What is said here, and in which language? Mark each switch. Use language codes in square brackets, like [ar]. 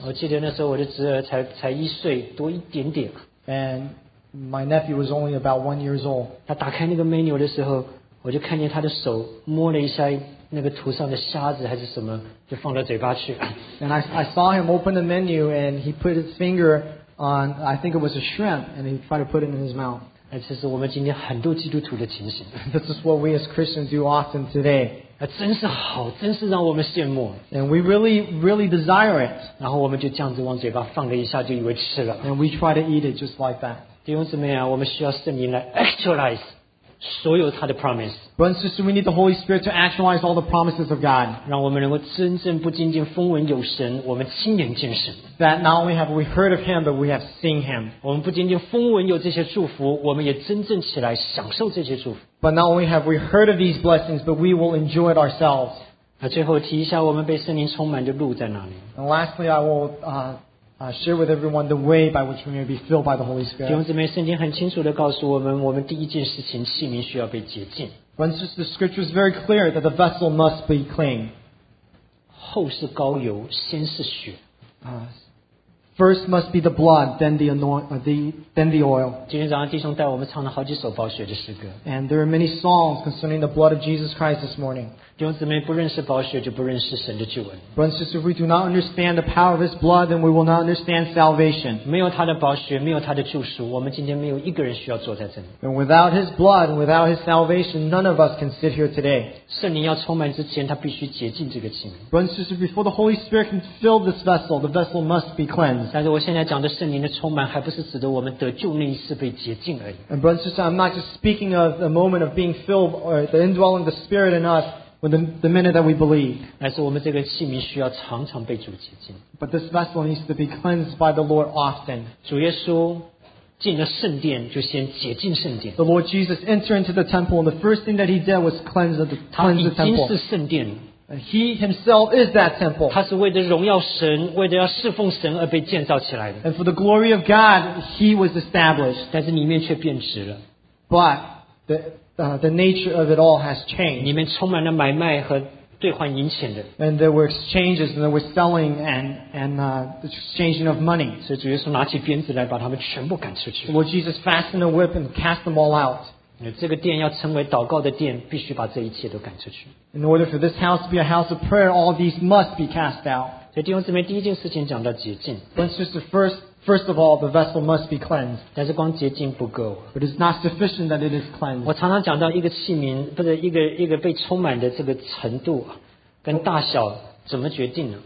[zh] 我记得那时候我的侄儿才一岁多一点点。 [en] And my nephew was only about 1 year old. [zh] 他打开那个 menu 的时候，我就看见他的手摸了一下那个图上的虾子还是什么。就放到嘴巴去。 [en] And I saw him open the menu and he put his finger on, I think it was a shrimp, and he tried to put it in his mouth. [zh] 这是我们今天很多基督徒的情形。 [en] This is what we as Christians do often today. [zh] 真是好，真是让我们羡慕。 [en] And we really, really desire it. [zh] 然后我们就这样子往嘴巴放了一下，就以为吃了。 [en] And we try to eat it just like that. [zh] 弟兄姊妹啊，我们需要圣灵来 actualize. 所有他的 promise. [en] Brothers and sisters, we need the Holy Spirit to actualize all the promises of God. [zh] 让我们能够真正不仅仅风闻有神，我们亲眼见神。 [en] That not only have we heard of Him, but we have seen Him. [zh] 我们不仅仅风闻有这些祝福，我们也真正起来享受这些祝福。 [en] But not only have we heard of these blessings, but we will enjoy it ourselves. [zh] 那最后提一下我们被圣灵充满的路在哪里。 [en] And lastly, I will share with everyone the way by which we may be filled by the Holy Spirit. [zh] 弟兄姊妹，圣经很清楚地告诉我们，我们第一件事情，器皿需要被洁净。 [en] Brothers, the scripture is very clear that the vessel must be clean. [zh] 后是膏油，先是血。 [en] First must be the blood, then the anointing, then the oil. [zh] 今天早上弟兄带我们唱了好几首宝血的诗歌。 [en] And there are many songs concerning the blood of Jesus Christ this morning. [zh] 弟兄姊妹，不认识宝血就不认识神的救恩。 [en] Brothers, if we do not understand the power of His blood, then we will not understand salvation. [zh] 没有他的宝血，没有他的救赎，我们今天没有一个人需要坐在这里。 [en] And without His blood, without His salvation, none of us can sit here today. [zh] 圣灵要充满之前，他必须洁净这个器皿。 [en] Brothers, before the Holy Spirit can fill this vessel, the vessel must be cleansed. [zh] 但是我现在讲的圣灵的充满还不是指的我们得救那一次被洁净而已。 [en] And brothers and sisters, I'm not just speaking of the moment of being filled or the indwelling of the Spirit in us with the minute that we believe. [zh] 而是我们这个器皿需要常常被主洁净。 [en] But this vessel needs to be cleansed by the Lord often. [zh] 主耶稣进了圣殿就先洁净圣殿。 [en] The Lord Jesus entered into the temple and the first thing that he did was cleanse the temple. [zh] 他已经是圣殿。 [en] He himself is that temple. [zh] 他是为了荣耀神，为了要侍奉神而被建造起来的。 [en] And for the glory of God, he was established. [zh] 但是里面却变质了。 [en] But the nature of it all has changed. [zh] 里面充满了买卖和兑换银钱的。 [en] And there were exchanges, and there was selling and exchanging of money. [zh] 所以主耶稣拿起鞭子来把他们全部赶出去。 [en] Lord Jesus fastened a whip and cast them all out. [zh] 这个殿要成为祷告的殿，必须把这一切都赶出去。 [en] In order for this house to be a house of prayer, all these must be cast out. [zh] 所以弟兄姊妹，第一件事情讲到洁净。 [en] But just first of all, the vessel must be cleansed. [zh] 但是光洁净不够。 [en] But it's not sufficient that it is cleansed. [zh] 我常常讲到一个器皿，不是一个被充满的这个程度跟大小怎么决定呢